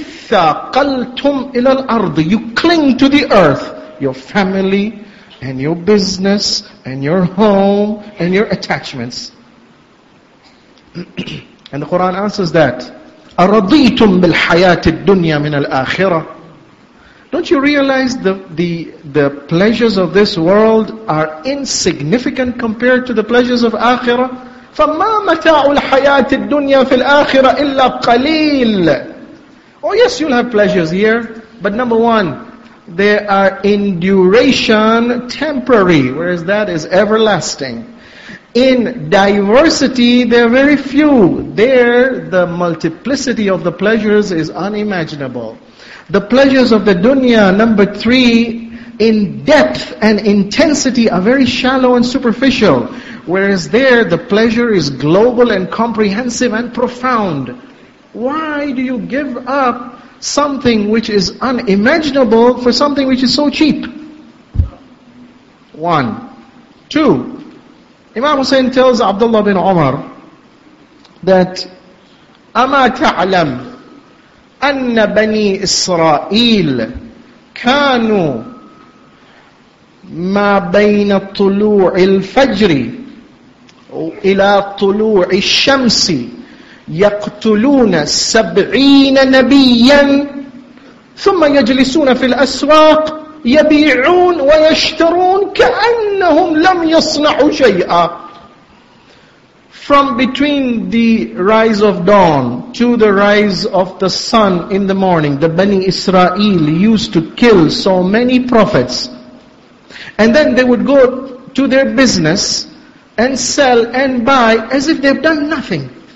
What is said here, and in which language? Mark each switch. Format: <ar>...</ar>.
<ar>إِثَّاقَلْتُمْ إِلَى الْأَرْضِ</ar> <en>You cling to the earth, your family, and your business, and your home, and your attachments. And the Quran answers that,</en> <ar>أَرَضِيتُمْ بِالْحَيَاةِ الدُّنْيَا مِنَ الْآخِرَةِ</ar> <en>Don't you realize the pleasures of this world are insignificant compared to the pleasures of Akhirah?</en> <ar>فَمَا مَتَاعُ الْحَيَاةِ الدُّنْيَا فِي الْآخِرَةِ إِلَّا قَلِيلٌ</ar> <en>Oh yes, you'll have pleasures here. But number one, they are in duration temporary, whereas that is everlasting. In diversity, there are very few. There, the multiplicity of the pleasures is unimaginable. The pleasures of the dunya, number three, in depth and intensity are very shallow and superficial. Whereas there, the pleasure is global and comprehensive and profound. Why do you give up something which is unimaginable for something which is so cheap? One. Two. Imam Hussein tells Abdullah bin Umar that</en> <ar>أَمَا تَعْلَمْ أَنَّ بَنِي إِسْرَائِيلَ كَانُوا مَا بَيْنَ طُلُوعِ الْفَجْرِ إِلَى طُلُوعِ الشَّمْسِ يَقْتُلُونَ 70 نَبِيًّا ثُمَّ يَجْلِسُونَ فِي الْأَسْوَاقِ يبيعون ويشترون كأنهم لم يصنعوا شيئا.</ar> <en>From between the rise of dawn to the rise of the sun in the morning, the Bani Israel used to kill so many prophets. And then they would go to their business and sell and buy as if they've done nothing.</en>